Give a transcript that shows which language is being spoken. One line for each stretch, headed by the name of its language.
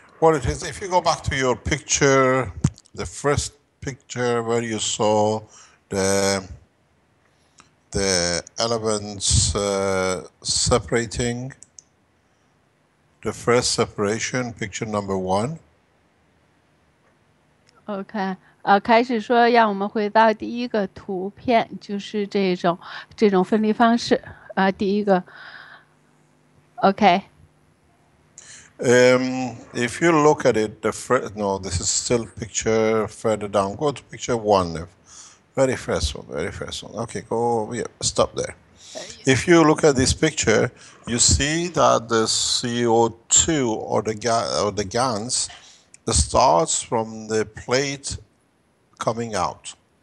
English: Well, it is, if you go back to your picture, the first picture where you saw the elements separating, the first separation, picture number one. Okay.
Chinese: 开始说让我们回到第一个图片，就是这种分离方式啊，第一个 ，OK。
English: If you look at it, this is still picture further down. Go to picture one, very first one. Okay, go. Yeah, stop there. If you look at this picture, you see that the CO2 or the GANS starts from the plate. Coming out.